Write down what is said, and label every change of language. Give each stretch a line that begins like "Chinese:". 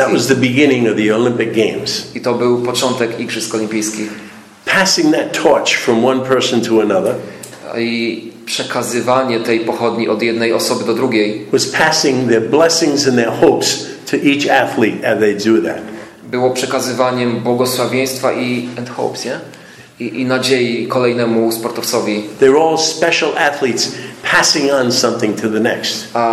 English: And that was the beginning of the Olympic Games.
Polish: I to był początek igrzysk olimpijskich.
English: Passing that torch from one person to another.
Polish: I przekazywanie tej pochodni od jednej osoby do drugiej.
English: Was passing their blessings and their hopes to each athlete as they do that.
Polish: Było przekazywaniem błogosławieństwa i
English: and hopes, yeah?
Polish: I nadziei kolejnemu sportowcowi.
English: They're all special athletes passing on something to the next.